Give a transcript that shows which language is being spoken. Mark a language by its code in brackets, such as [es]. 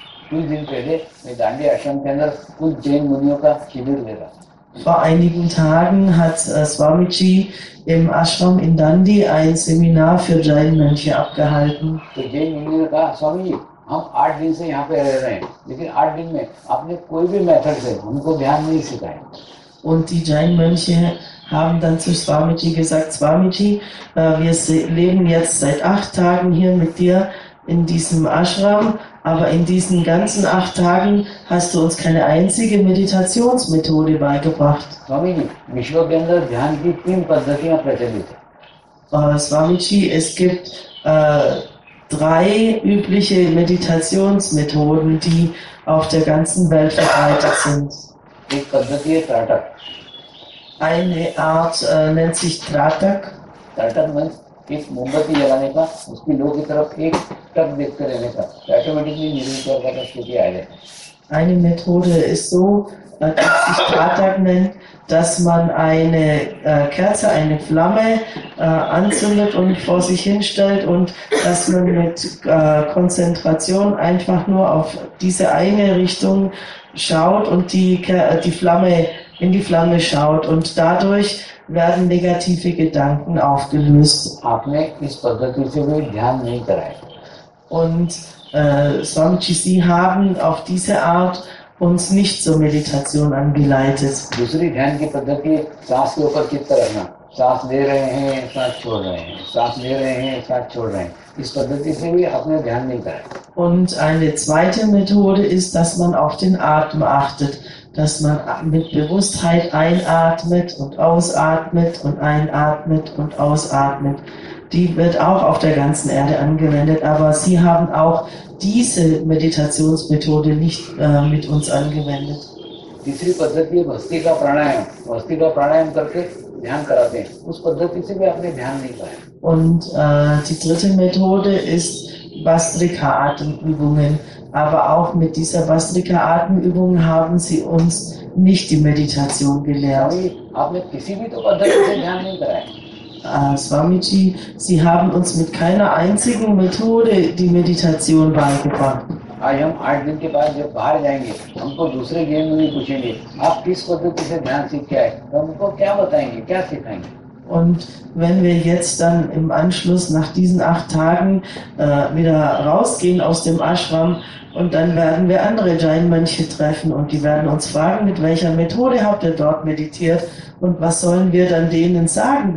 [hi] कुछ दिन पहले मैं दांडी आश्रम के अंदर कुछ जैन मुनियों का शिविर ले रहा। [de] Vor einigen Tagen hat Swamiji im Ashram in Dandi ein Seminar für Jain-Mönche abgehalten. [hi] तो जैन मुनि ने कहा, स्वामी जी हम 8 दिन से यहाँ पे रह रहे हैं, लेकिन 8 दिन में आपने कोई भी मेथड से हमको ध्यान नहीं सिखाया। [de] Und die Jain-Mönche haben dann zu Swamiji gesagt, Swamiji, wir leben jetzt seit 8 Tagen hier mit dir in diesem Ashram, aber in diesen ganzen 8 Tagen hast du uns keine einzige Meditationsmethode beigebracht. [hi] Swami ji विश्व के अंदर ध्यान की 3 पद्धतियां प्रचलित है। [de] Swamiji, es gibt 3 übliche Meditationsmethoden, die auf der ganzen Welt verbreitet sind. [hi] एक पद्धति है त्राटक। [de] Eine Art nennt sich Tratak. [hi] त्राटक means एक मोमबत्ती जलाने का, उसकी लौ की तरफ एक टक देखते रहने का, ऑटोमेटिकली निर्विकार तौर का स्थिति आ जाता है। [de] Eine Methode ist so, dass sich Tratak nennt, dass man eine Kerze, eine Flamme anzündet und vor sich hinstellt und dass man mit Konzentration einfach nur auf diese eine Richtung schaut und in die Flamme schaut und dadurch werden negative Gedanken aufgelöst. [hi] आपने इस पद्धति से कोई ध्यान नहीं कराया। [de] Und Swamiji, Sie haben auf diese Art uns nicht zur Meditation angeleitet. [hi] दूसरी ध्यान की पद्धति सांस के ऊपर चित्त रखना, सांस ले रहे हैं सांस छोड़ रहे हैं, सांस ले रहे हैं सांस छोड़ रहे हैं, इस पद्धति से भी आपने ध्यान नहीं कराया। [de] Und eine zweite Methode ist, dass man auf den Atem achtet. Dass man mit Bewusstheit einatmet und ausatmet und einatmet und ausatmet. Die wird auch auf der ganzen Erde angewendet, aber Sie haben auch diese Meditationsmethode nicht mit uns angewendet. [hi] तीसरी पद्धति भस्ती का प्राणायाम, भस्ती का प्राणायाम करके ध्यान कराते हैं, उस पद्धति से भी आपने ध्यान नहीं पाया। [de] Und die dritte Methode ist Bastrika-Atemübungen. Aber auch mit dieser Bastrika-Atemübung haben sie uns nicht die Meditation gelehrt. [hi] आपने किसी भी तो पद्धति से ध्यान नहीं कराया। [de] Swamiji, Sie haben uns mit keiner einzigen Methode die Meditation beigebracht. [hi] आज हम 8 दिन के बाद जब बाहर जाएंगे हमको दूसरे गेम में भी पूछेंगे आप किस पद्धति से ध्यान सीख के आए तो हमको क्या बताएंगे क्या सिखाएंगे [de] Und wenn wir jetzt dann im Anschluss nach diesen 8 Tagen wieder rausgehen aus dem Ashram und dann werden wir andere Jain-Mönche treffen und die werden uns fragen, mit welcher Methode habt ihr dort meditiert und was sollen wir dann denen sagen?